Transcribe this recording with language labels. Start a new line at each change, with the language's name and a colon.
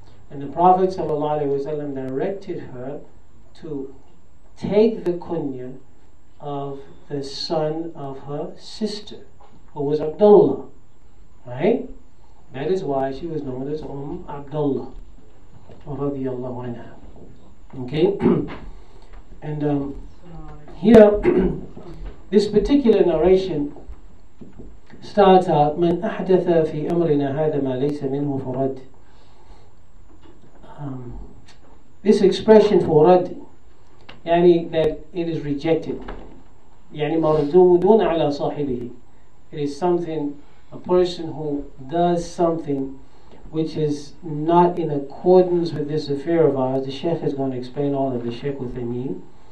English: And the Prophet ﷺ directed her to take the kunya of the son of her sister, who was Abdullah. Right? That is why she was known as Abdullah radiallahu anha. Okay? And here, this particular narration starts out,
Arabic: من أحدث في أمرنا هذا ما ليس منه فرد.
English: This expression فرد, يعني that it is rejected,
Arabic: يعني مردودون على صاحبه.
English: It is something, a person who does something which is not in accordance with this affair of ours. The Shaykh is going to explain all of the Shaykh what they mean.